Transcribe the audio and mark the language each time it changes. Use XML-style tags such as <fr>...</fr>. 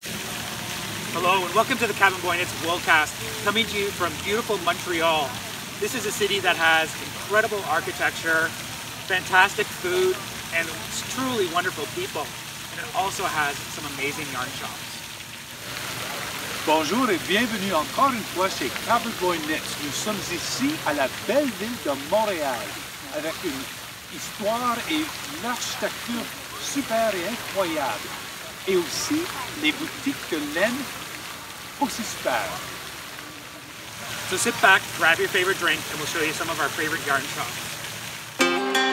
<en>Hello and welcome to the Cabin Boy, and it's Worldcast, coming to you from beautiful Montreal. This is a city that has incredible architecture, fantastic food, and truly wonderful people. And it also has some amazing yarn shops.</en> <fr>Bonjour et bienvenue encore une fois chez Cabin Boy Knits. Nous sommes ici à la belle ville de Montréal, avec une histoire et une architecture super et incroyable. Et aussi les boutiques de laine aussi super.</fr> <en>So sit back, grab your favorite drink, and we'll show you some of our favorite yarn shops.</en>